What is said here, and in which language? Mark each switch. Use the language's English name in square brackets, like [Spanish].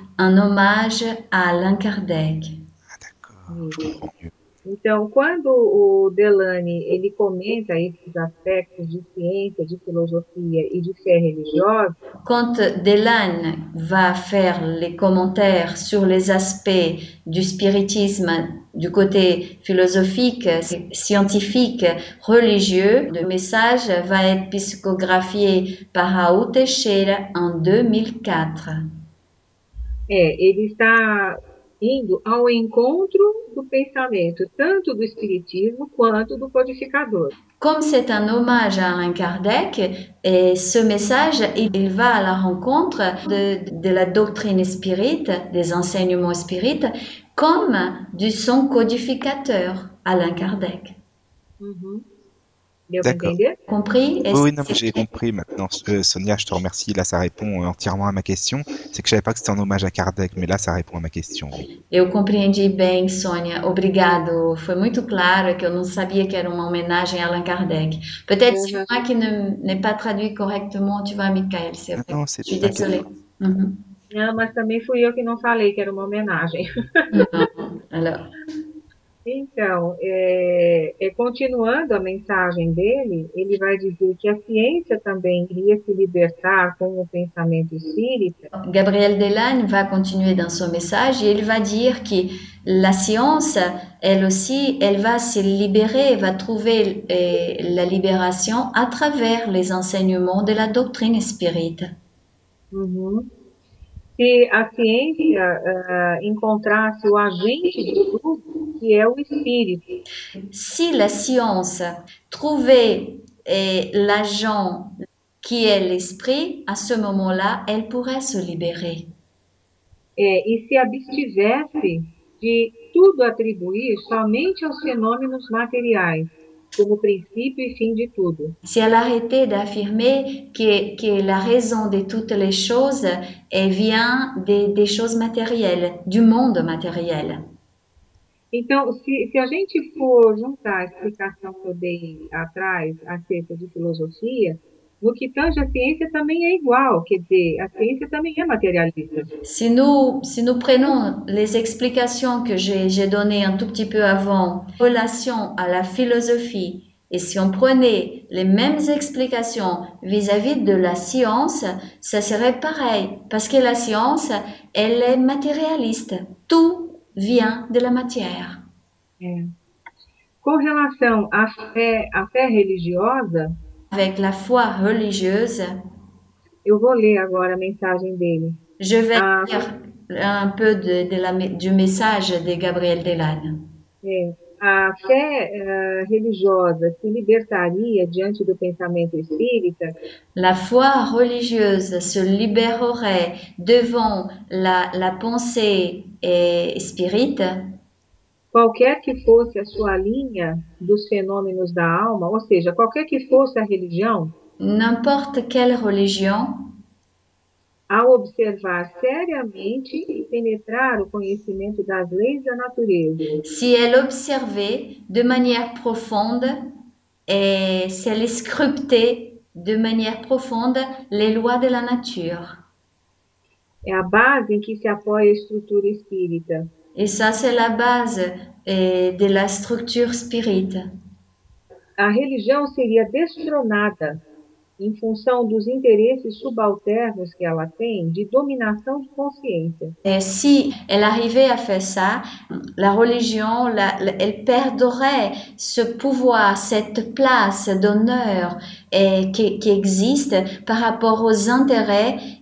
[French] un hommage à Allan Kardec. Comprends mieux. [Portuguese] Então, quando o Delane ele comenta esses aspectos de ciência, de filosofia e de fé religiosa, [French] Quand Delane va faire les commentaires sur les aspects du spiritisme du côté philosophique, scientifique, religieux, le message va être psychographié par Raoul Teixeira en 2004. [Portuguese] ele está indo ao encontro do pensamento, tanto do espiritismo quanto do codificador. [French] Comme c'est un hommage à Allan Kardec, et ce message, il va à la rencontre de la doctrine spirite, des enseignements spirites, comme de son codificateur, Allan Kardec. [Portuguese] Deu para [French] D'accord. [Portuguese] entender? [French] Compris? Oui, non, j'ai compris maintenant. Sonia, je te remercie. Là, ça répond entièrement à ma question. C'est que je savais pas que c'était un hommage à Kardec, mais là, ça répond à ma question, oui. [Portuguese] Eu compreendi bem, Sônia. Obrigado. Foi muito claro que eu não sabia que era uma homenagem a Allan Kardec. [French] Peut-être c'est moi qui n'ai pas traduit correctement. Tu vas, Michael, s'il te plaît. Non, c'est Je suis pas question. désolée. [Portuguese] Não, mas também fui eu que não falei que era uma homenagem. Não, [French] alors. [Portuguese] Então, continuando a mensagem dele, ele vai dizer que a ciência também iria se libertar com o pensamento espírita. [French] Gabriel Delanne va continuer dans son message et il va dire que la science, elle aussi, elle va se libérer, va trouver la libération à travers les enseignements de la doctrine spirite. [Portuguese] Se a ciência encontrasse o agente de tudo, que é o espírito. [French] Si la science trouvait l'agent qui est l'esprit, à ce moment-là, elle pourrait se libérer. [Portuguese] E se abstivesse de tudo atribuir somente aos fenômenos materiais, como princípio e fim de tudo? [French] Si elle arrêtait d'affirmer que la raison de toutes les choses vient des choses matérielles, du monde matériel. [Portuguese] Então, se a gente for juntar a explicação que eu dei atrás acerca de filosofia, no que tange a ciência também é igual, quer dizer, a ciência também é materialista. [French] Si nous prenons les explications que j'ai données un tout petit peu avant en relation à la philosophie, et si on prenait les mêmes explications vis-à-vis de la science, ça serait pareil, parce que la science, elle est matérialiste. Tout vient de la matière. [Portuguese] Com relação à fé religiosa, [French] Avec la foi religieuse, [Portuguese] eu vou ler agora a mensagem dele. [French] je vais lire un peu du message de Gabriel Delanne. [Portuguese] A fé religiosa se libertaria diante do pensamento espírita. [French] La foi religieuse se libérerait devant la pensée spirite. [Portuguese] Qualquer que fosse a sua linha dos fenômenos da alma, ou seja, qualquer que fosse a religião, [French] N'importe quelle religion. [Portuguese] ao observar seriamente e penetrar o conhecimento das leis da natureza. [French] Si elle observait de manière profonde et si elle scrutait de manière profonde les lois de la nature. [Portuguese] É a base em que se apoia a estrutura espírita. [French] Et ça, c'est la base de la structure spirite. [Portuguese] A religião seria destronada em função dos interesses subalternos que ela tem de dominação de consciência. [French] Et si elle arrivait à faire ça, la religion, elle perdrait ce pouvoir, cette place d'honneur qui existe par rapport aux intérêts.